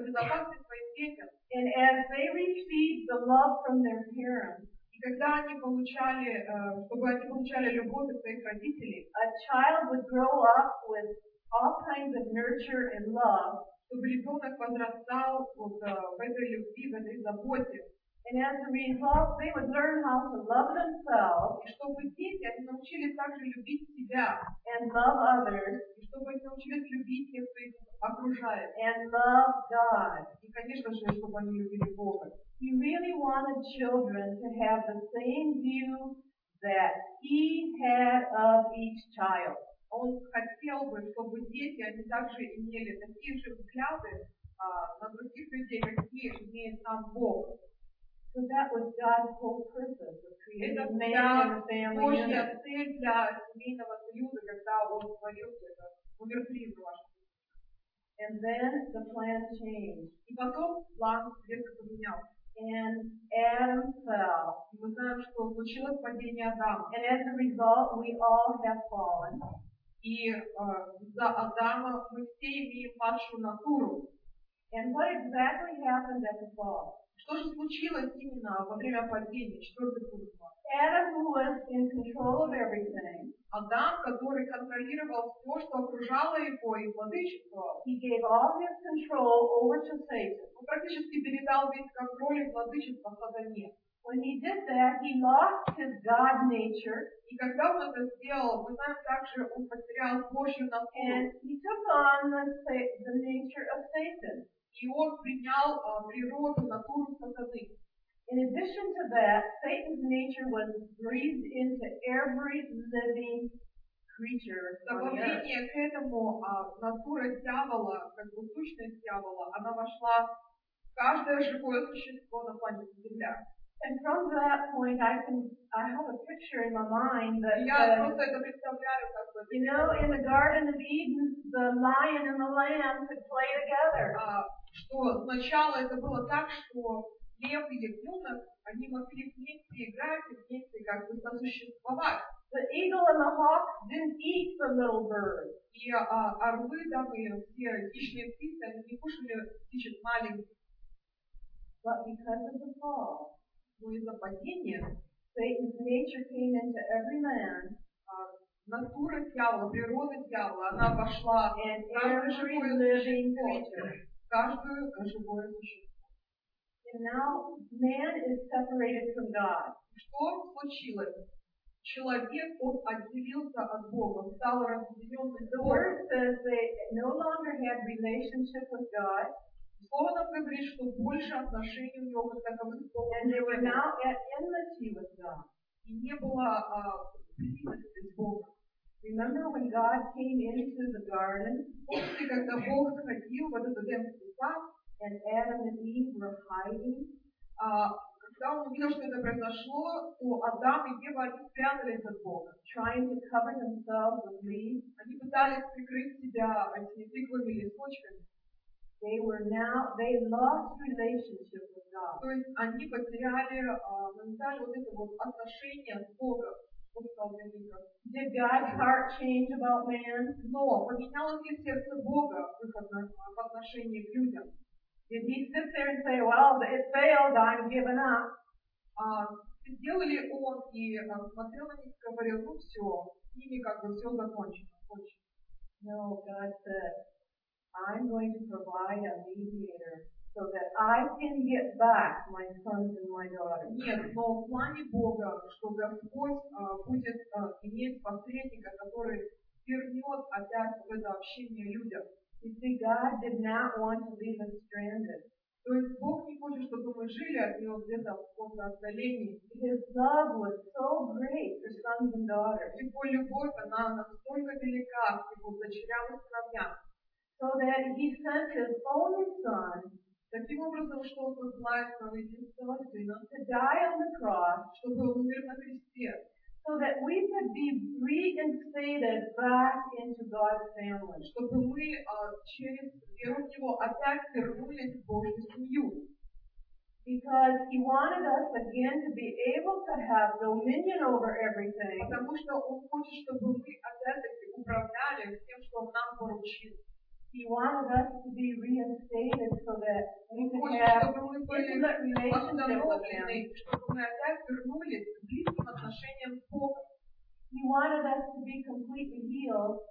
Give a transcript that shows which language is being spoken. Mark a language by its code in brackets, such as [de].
[en] And as they received the love from their parents, [ru] когда они получали, чтобы они получали любовь от своих родителей, [en] a child would grow up with all kinds of nurture and love, [ru] чтобы ребенок подрастал вот, в этой любви, в этой заботе. [en] And as a result, they would learn how to love themselves, [ru] и чтобы дети, они научились также любить себя, [en] and love others, [ru] и чтобы они научились любить тех, кто их окружает, [en] and love God. [ru] И, конечно же, чтобы они любили Бога. [en] He really wanted children to have the same view that he had of each child. [ru] Он хотел бы, чтобы дети, они также имели такие же взгляды на других людей, какие имеет сам Бог. [en] So that was God's whole purpose of creating a man and a family. [ru] Это Божья цель для семейного союза, когда Он творил все это. Умер призрак ваш. [en] And then the plan changed. [ru] И потом план резко поменялся. [en] And Adam fell. [ru] Мы знаем, что случилось падение Адама. [en] And as a result, we all have fallen. [ru] И за Адама мы все имеем падшую натуру. [en] And what exactly happened at the fall? [ru] Что же случилось именно во время падения, четвертый пункт? [en] Adam was in control of everything. [ru] Адам, который контролировал все, что окружало его и владычество, [en] he gave all his control over to Satan. [ru] Он практически передал весь контроль и владычество Сатане. [en] When he did that, he lost his God nature. [ru] И когда он это сделал, мы знаем также, он потерял Божью натуру. [en] And he took on the nature of Satan. [ru] И он принял природу, натуру Сатаны. [en] In addition to that, Satan's nature was breathed into every living creature. [ru] Добавление к этому, натура дьявола, как бы сущность дьявола, она вошла в каждое живое существо на планете Земля. [en] And from that point, I have a picture in my mind that you know, in the Garden of Eden, the lion and the lamb could play together. [ru] Что сначала это было так, что лев и ягнёнок, они могли вместе играть и вместе как бы сосуществовать. [en] The eagle and the hawk didn't eat the little bird. [ru] И орлы, да, были все хищные птицы, они не кушали птичек маленьких. [en] But because of the fall, [ru] но из-за падения, [en] Satan's nature came into every man. [ru] Натура дьявола, природа дьявола, она вошла в каждое живое существо. [en] And now man is separated from God. [ru] Что случилось? Человек, он отделился от Бога, стал разделён от Бога. [en] Says they no longer had relationship with God. [ru] Слово нам говорит, что больше отношений у него таковых с Богом. [en] And they were now at enmity with God. [ru] И не было близости с Богом. [en] Remember when God came into the garden? [ru] Помните, когда Бог заходил в этот Эдемский сад? [en] And Adam and Eve were hiding. [ru] Когда он увидел, что это произошло, то Адам и Ева спрятались от Бога. [en] Trying to cover themselves with leaves. [ru] Они пытались прикрыть себя этими тыквами и листочками. [en] They lost relationship with God. [ru] То есть они потеряли вот это вот отношение с Богом. [en] Did God's heart change about man? [ru] Но поменялось ли сердце Бога в отношении к людям? [en] Did he sit there and say, well, it failed, I'm giving up? [ru] Сидел ли он и смотрел на них и говорил, ну все, с ними как бы все закончено. [en] No, God said, I'm going to provide a mediator so that I can get back my sons and my daughters. [ru] Нет, но в плане Бога, что Господь будет иметь посредника, который вернет опять в это общение людям. [en] You see, God did not want to leave us stranded. [ru] То есть Бог не хочет, чтобы мы жили от него где-то в каком-то отдалении. [en] His love was so great for sons and daughters. [ru] Его любовь, она настолько велика к его дочерям и сыновьям. [en] So that he sent his only son [ru] таким образом, что он посылает своего единственного сына, [en] to die on the cross, [ru] чтобы он умер на кресте, [en] so that we could be reinstated back into God's family, [ru] чтобы мы через веру в него опять вернулись в Божью семью. [en] Because he wanted us again to be able to have dominion over everything, [ru] потому что он хочет, чтобы мы опять-таки управляли всем, что он нам поручил. [en] He wanted us to be reinstated so that we could have intimate relationship with Him. He wanted us to be completely healed.